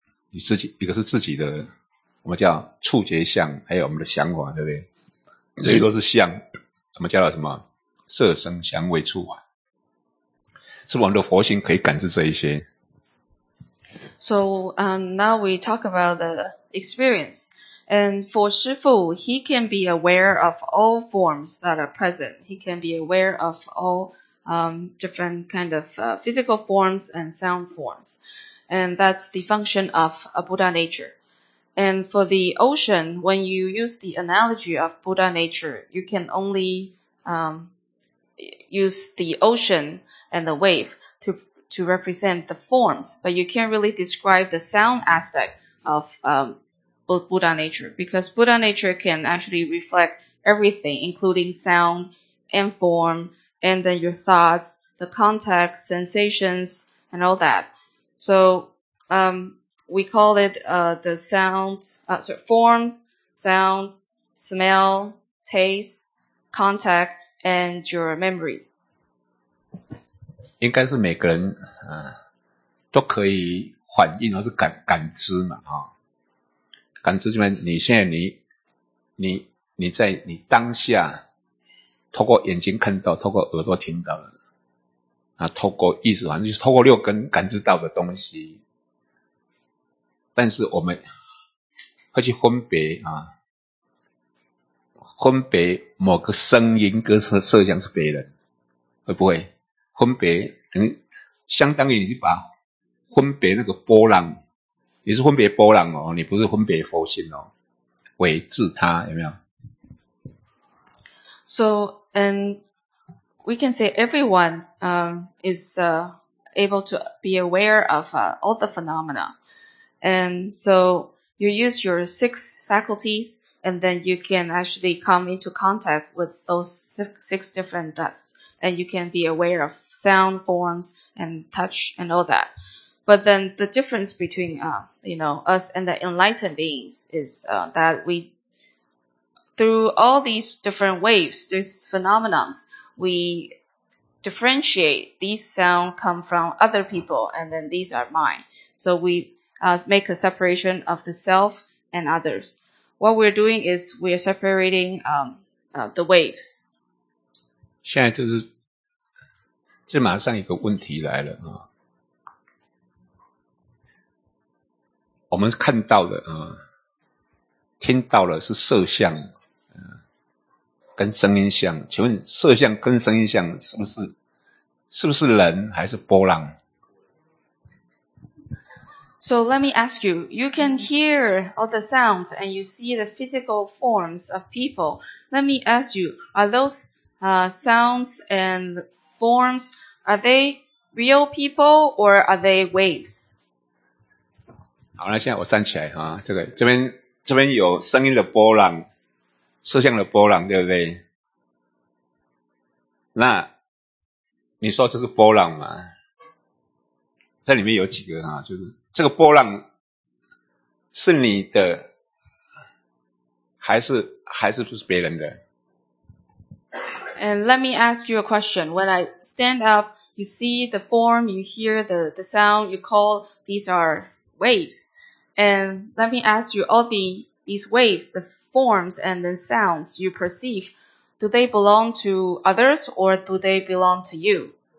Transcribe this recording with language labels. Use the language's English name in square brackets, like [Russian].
[Chinese] 你自己一个是自己的我们叫触觉相，还有我们的想法，对不对？这些都是相，我们叫做什么色声香味触法，是不是我们的佛性可以感知这一些？ [English] So, now we talk about the experience, And for Shifu, he can be aware of all forms that are present. He can be aware of all different kind of physical forms and sound forms. And that's the function of a Buddha nature. And for the ocean, when you use the analogy of Buddha nature, you can only use the ocean and the wave to represent the forms, but you can't really describe the sound aspect of Buddha nature, because Buddha nature can actually reflect everything, including sound and form, and then your thoughts, the contact, sensations, and all that. So we call it the sound, sorry, form, sound, smell, taste, contact, and your memory. [Chinese] 应该是每个人都可以反应，而是感知嘛，哈、哦，感知就是你现在你在你当下，透过眼睛看到，透过耳朵听到的，啊，透过意识，反正就是透过六根感知到的东西。但是我们会去分别啊，分别某个声音跟色相是别人，会不会分别？等于相当于你是把分别那个波浪，你是分别波浪哦，你不是分别佛性哦，为自他有没有 [English] ？So and we can say everyone is able to be aware of all the phenomena, and so you use your six faculties, and then you can actually come into contact with those six different dusts. And you can be aware of sound, forms, and touch, and all that. But then the difference between, us and the enlightened beings is that we, through all these different waves, these phenomenons, we differentiate these sounds come from other people, and then these are mine. So we make a separation of the self and others. What we're doing is we're separating the waves. [Chinese] 现在就是这马上一个问题来了、我们看到的、听到的是色相、跟声音相，请问色相跟声音相是不是人还是波浪？ [English] So let me ask you, you can hear all the sounds and you see the physical forms of people. Let me ask you, are those sounds and formsAre they real people or are they waves? [Chinese] 好，那现在我站起来哈，这个这边有声音的波浪，色相的波浪，对不对？那你说这是波浪吗？这里面有几个哈，就是这个波浪是你的，还是不是别人的 [English] ？And let me ask you a question. When I stand up. You see the form, you hear the sound, you call, these are waves. And let me ask you, all these waves, the forms and the sounds you perceive, do they belong to others or do they belong to you?